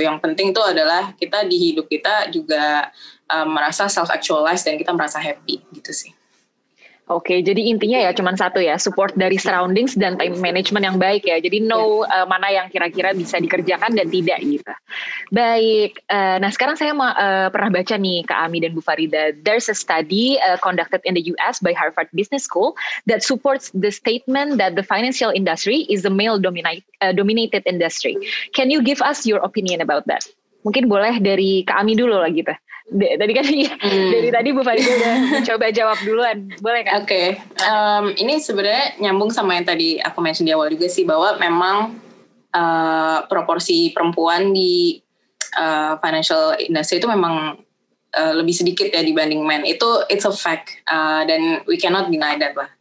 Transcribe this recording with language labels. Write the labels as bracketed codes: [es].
[id] Yang penting itu adalah kita di hidup kita juga merasa self-actualized dan kita merasa happy gitu sih. Oke, jadi intinya ya cuma satu ya, support dari surroundings dan time management yang baik ya. Jadi know mana yang kira-kira bisa dikerjakan dan tidak gitu. Baik, nah sekarang saya mau, pernah baca nih Kak Ami dan Bu Farida, [en] there's a study conducted in the US by Harvard Business School that supports the statement that the financial industry is a male dominated industry. Can you give us your opinion about that? [id] Mungkin boleh dari Kak Ami dulu lah gitu. Tadi kan dari tadi Bu Farida udah coba jawab duluan, boleh kan? Oke, okay. Ini sebenarnya nyambung sama yang tadi aku mention di awal juga sih, bahwa memang proporsi perempuan di financial industry itu memang lebih sedikit ya dibanding men. Itu [en] it's a fact, [id] dan [en] we cannot deny that lah.